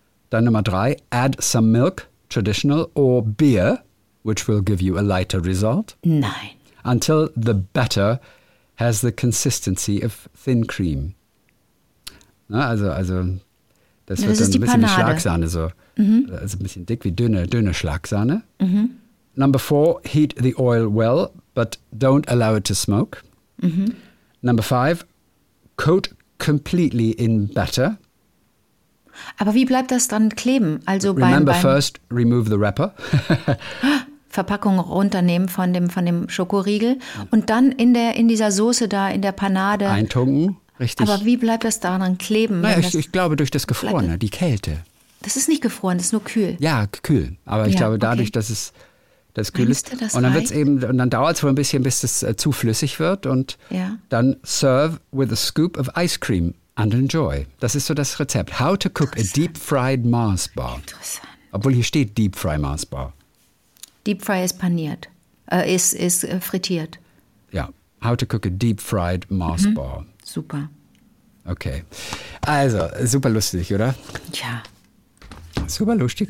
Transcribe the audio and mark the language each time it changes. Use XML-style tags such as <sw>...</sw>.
<de>Dann Nummer drei,</de> <en>add some milk, traditional or beer, which will give you a lighter result.</en> <de>Nein.</de> <en>Until the batter has the consistency of thin cream.</en> <de>Na, also das wird dann ein bisschen Panade. Wie Schlagsahne so. Mhm. Also ein bisschen dick wie dünne Schlagsahne. Mhm.</de> <en>Number four, heat the oil well, but don't allow it to smoke. Mhm. Number five, coat completely in batter.</en> <de>Aber wie bleibt das dann kleben? Also</de> <en>Remember first, remove the wrapper.</en> <de>Verpackung runternehmen von dem Schokoriegel. Und dann in dieser Soße da, in der Panade. Eintunken, richtig. Aber wie bleibt das daran kleben? Naja, ich glaube durch das Gefrorene, die Kälte. Das ist nicht gefroren, das ist nur kühl. Ja, kühl. Aber ich glaube dadurch, dass es das kühl ist. Das und dann wird's eben, und dann dauert es wohl ein bisschen, bis es zu flüssig wird. Und dann</de> <en>serve with a scoop of ice cream and enjoy.</en> <de>Das ist so das Rezept.</de> <en>How to cook a deep fried Mars bar.</en> <de>Interessant. Obwohl hier steht deep fried Mars bar. Deep fry ist paniert, ist frittiert. Ja,</de> <en>how to cook a deep fried Mars bar.</en> <de>Super. Okay, also super lustig, oder? Ja. Super lustig.</de>